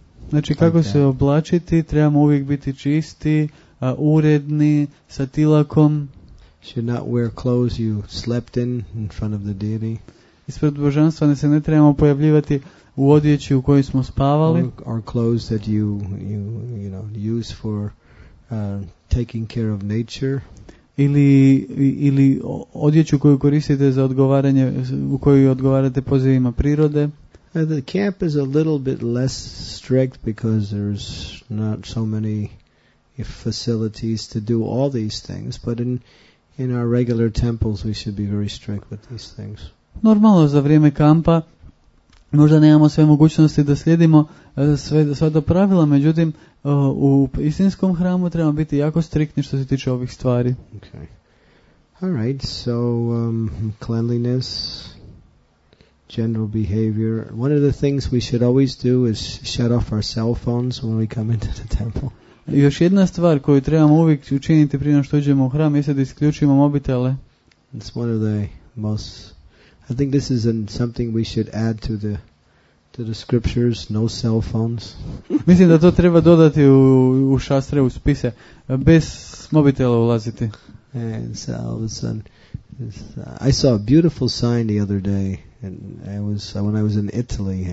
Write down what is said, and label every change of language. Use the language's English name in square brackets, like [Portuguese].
[Croatian] Znači, kako se oblačiti, trebamo uvijek biti čisti, uredni, sa tilakom. [English] Should not wear clothes you slept in front of the deity. [Croatian] Ispred božanstva ne se ne trebamo pojavljivati u odjeći u kojoj smo spavali. [English] Or clothes that you use for... taking care of nature. [Croatian] Ili odjeću koju koristite za odgovaranje, u kojoj odgovarate pozivima prirode. [English] The camp is a little bit less strict because there's not so many facilities to do all these things, but in our regular temples we should be very strict with these things. [Croatian] Normalno za vrijeme kampa možda nemamo sve mogućnosti da slijedimo sva ta pravila, međutim u istinskom hramu trebamo biti jako striktni što se tiče ovih stvari. [English] Okay. All right, so cleanliness, general behavior. One of the things we should always do is shut off our cell phones when we come into the temple. [Croatian] Još jedna stvar koju trebamo uvijek učiniti prije nego što uđemo u hram jeste da isključimo mobitele. [English] It's one of the most, I think this is something we should add to the scriptures, no cell phones. [Croatian] Mislim da to treba dodati u šastre, u spise, bez mobitela ulaziti. [English] And so all of a sudden, I saw a beautiful sign the other day, and it was when I was in Italy.